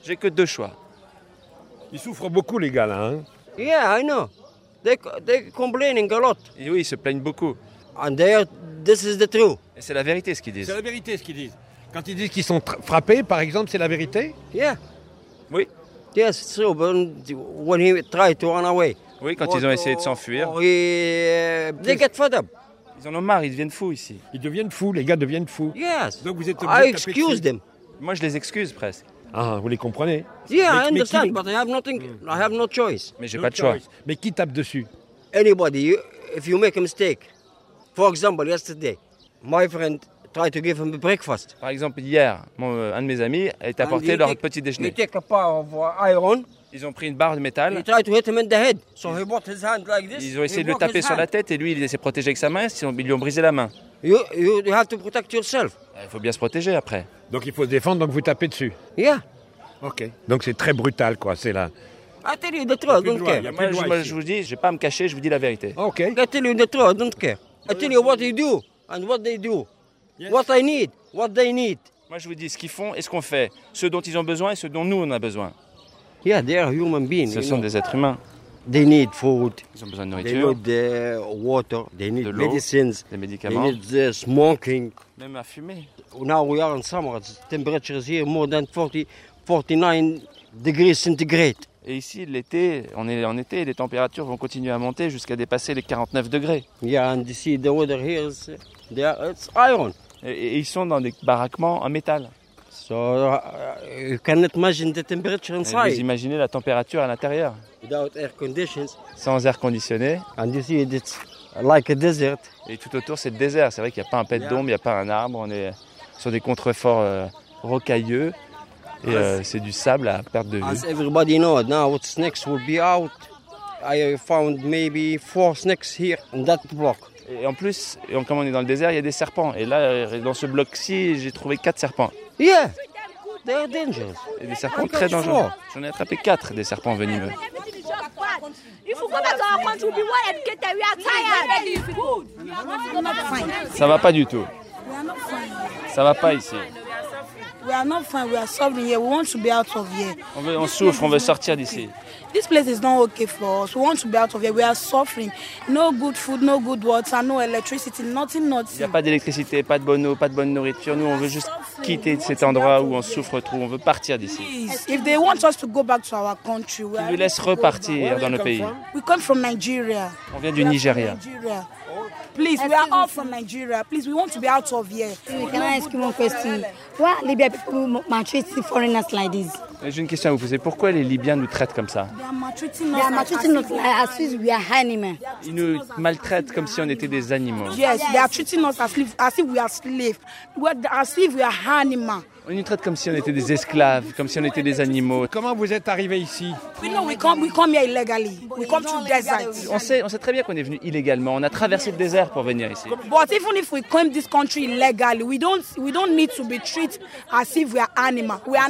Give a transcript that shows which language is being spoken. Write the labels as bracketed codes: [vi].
[fr] J'ai que deux choix. Ils souffrent beaucoup les gars là, hein. [en] Yeah, I know. They're complaining a lot. [fr] Et oui, ils se plaignent beaucoup. [en] And there, this is the truth. [fr] Et c'est la vérité ce qu'ils disent. C'est la vérité ce qu'ils disent. Quand ils disent qu'ils sont frappés, par exemple, c'est la vérité? [en] Yeah. [fr] Oui. [en] Yes, so when he tried to run away. [fr] Oui, quand ils ont essayé de s'enfuir. [en] They get fed up. [fr] Ils en ont marre, ils deviennent fous ici. Ils deviennent fous, les gars deviennent fous. [en] Yes. [fr] Donc vous êtes obligés de taper dessus. Moi, je les excuse presque. Ah, vous les comprenez? [en] Yeah, I understand, but I have nothing. I have no choice. [fr] Mais j'ai pas de choix. Mais qui tape dessus? [en] Anybody. If you make a mistake. For example, yesterday, my friend. Try to give him a breakfast. [fr] Par exemple, hier, un de mes amis a été apporté leur petit déjeuner. [en] He take a bar of iron. [fr] Ils ont pris une barre de métal. [en] He tried to hit him in the head. So he brought his hand like this. [fr] Ils ont essayé de le taper sur la tête et lui, il s'est protégé avec sa main. Ils lui ont brisé la main. [en] You have to protect yourself. [fr] Il faut bien se protéger après. Donc il faut se défendre, donc vous tapez dessus. [en] Yeah. [fr] Ok. Donc c'est très brutal, quoi. C'est là. [en] I tell you the truth, I don't care. [fr] Moi, je vous dis, je vais pas me cacher, je vous dis la vérité. Ok. [en] I tell you the truth, I don't care. I tell you what they do and what they do. Yes. What I need, what they need. [fr] Moi, je vous dis ce qu'ils font et ce qu'on fait, ce dont ils ont besoin et ce dont nous on a besoin. [en] Yeah, they are human beings. [fr] Ce sont des êtres humains. [en] They need food. [fr] Ils ont besoin de nourriture. [en] They need the water. They need medicines. [fr] Des médicaments. [en] They need the smoking. [fr] Même à fumer. [en] Now we are in summer. The temperature is here more than 49 degrees centigrade. [fr] Et ici, l'été, on est en été, les températures vont continuer à monter jusqu'à dépasser les 49 degrés. [en] Yeah, and you see the weather here is. It's iron. [fr] Et ils sont dans des baraquements en métal. [en] So you cannot imagine the temperature inside. [fr] Et vous imaginez la température à l'intérieur. [en] Without air conditions. [fr] Sans air conditionné. [en] And you see it's like a desert. [fr] Et tout autour c'est le désert. C'est vrai qu'il n'y a pas un pet d'ombre, il n'y a pas un arbre. On est sur des contreforts rocailleux et c'est du sable à perte de vue. [en] As everybody knows, now what snakes will be out. I found maybe 4 snakes here in that block. [fr] Et en plus, comme on est dans le désert, il y a des serpents. Et là, dans ce bloc-ci, j'ai trouvé 4 serpents. [en] Yeah, they are dangerous. [fr] Et des serpents très dangereux. J'en ai attrapé 4, des serpents venimeux. Ça va pas du tout. Ça va pas ici. On souffre, on veut sortir d'ici. [en] This place is not okay for us. We want to be out of here. We are suffering. No good food, no good water, no electricity, nothing, nothing. [fr] Il n'y a pas d'électricité, pas de bonne eau, pas de bonne nourriture. Nous, on veut juste quitter cet endroit où on souffre trop. On veut partir d'ici. [en] Please. If they want us to go back to our country, we are. [fr] Ils nous laissent repartir dans le pays. [en] We come from Nigeria. [fr] On vient du Nigeria. [en] Please, we are all from Nigeria. Please, we want to be out of here. Can I ask you one question? Why Libyan people maltreat foreigners like this? [fr] J'ai une question à vous poser. Pourquoi les Libyens nous traitent comme ça? Ils nous maltraitent comme si on était des animaux. [en] Yes, they are treating us as if we are slaves, as if we are animals. [fr] On nous traite comme si on était des esclaves, comme si on était des animaux. Comment vous êtes arrivés ici? [en] We come here illegally. We come through desert. [fr] On sait très bien qu'on est venu illégalement. On a traversé le désert pour venir ici. [en] But even if we come this country illegally, we don't need to be treated as if we are animals. We are